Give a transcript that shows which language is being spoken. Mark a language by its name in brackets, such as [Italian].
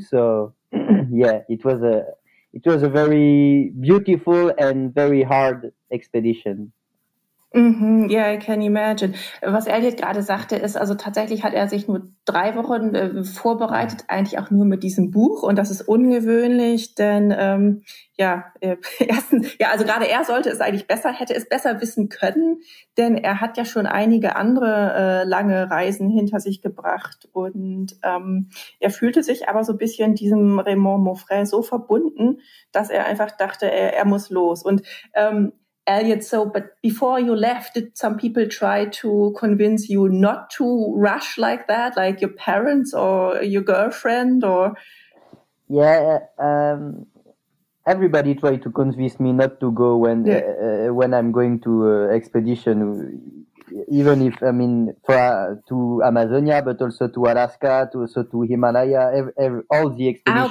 [English] So yeah, it was a very beautiful and very hard expedition. Ja, I can imagine. [German] Was Elliot gerade sagte, ist, also tatsächlich hat er sich nur 3 Wochen vorbereitet, eigentlich auch nur mit diesem Buch. Und das ist ungewöhnlich, denn gerade er sollte es eigentlich besser, hätte es besser wissen können, denn er hat ja schon einige andere lange Reisen hinter sich gebracht. Und er fühlte sich aber so ein bisschen diesem Raymond Maufray so verbunden, dass er einfach dachte, er muss los. [English] Und Elliot, so, but before you left, did some people try to convince you not to rush like that, like your parents or your girlfriend? Or yeah, everybody tried to convince me not to go when I'm going to expedition, even if I mean to Amazonia, but also to Alaska, also to Himalaya, all the expedition.